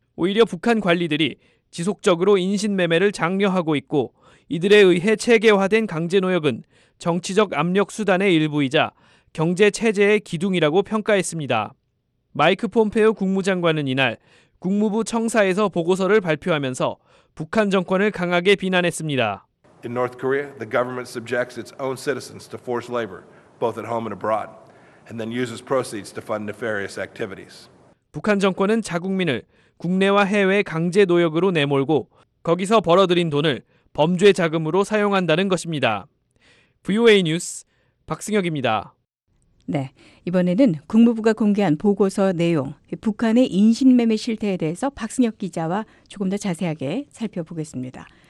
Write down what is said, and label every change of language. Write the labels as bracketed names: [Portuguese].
[Korean] 오히려 북한 관리들이 지속적으로 인신매매를 장려하고 있고 이들에 의해 체계화된 강제노역은 정치적 압력수단의 일부이자 경제체제의 기둥이라고 평가했습니다. 마이크 폼페오 국무장관은 이날 국무부 청사에서 보고서를 발표하면서 북한 정권을 강하게 비난했습니다. [English] In North Korea, the government subjects its own citizens to forced labor, both at home and abroad, and then uses proceeds to fund nefarious activities. [Korean] 북한 정권은 자국민을 국내와 해외 강제 노역으로 내몰고 거기서 벌어들인 돈을 범죄 자금으로 사용한다는 것입니다. VOA 뉴스 박승혁입니다. 네, 이번에는 국무부가 공개한 보고서 내용, 북한의 인신매매 실태에 대해서 박승혁 기자와 조금 더 자세하게 살펴보겠습니다.